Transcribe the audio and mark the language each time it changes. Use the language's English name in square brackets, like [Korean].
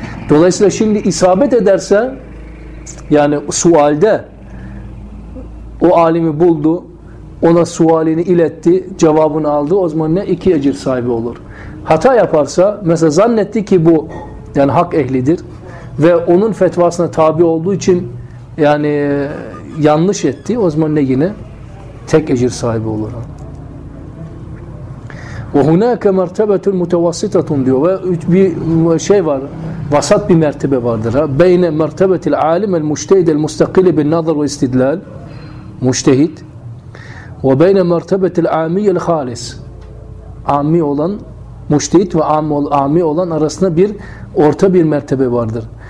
[Turkish] Dolayısıyla şimdi isabet ederse, yani sualde o alimi buldu, ona sualini iletti, cevabını aldı, o zaman ne? İki ecir sahibi olur. Hata yaparsa, mesela zannetti ki bu yani hak ehlidir ve onun fetvasına tabi olduğu için yani yanlış etti, o zaman ne? Yine tek ecir sahibi olur. [Arabic] وَهُنَاكَ مَرْتَبَةٌ مُتَوَسِّتَةٌ [Turkish] diyor. Ve bir şey var, vasat bir mertebe vardır. [Arabic] بَيْنَ مَرْتَبَةِ الْعَالِمَ الْمُجْتَهِدَ الْمُسْتَقِلِ بِالنَّظَرْ وَاِسْتِدْلَالِ مُجْتَهِد وَبَيْنَ مَرْتَبَةِ الْعَامِيَ الْخَالِسِ [Turkish] Ami olan müştehit ve ami olan arasında bir orta bir mertebe vardır.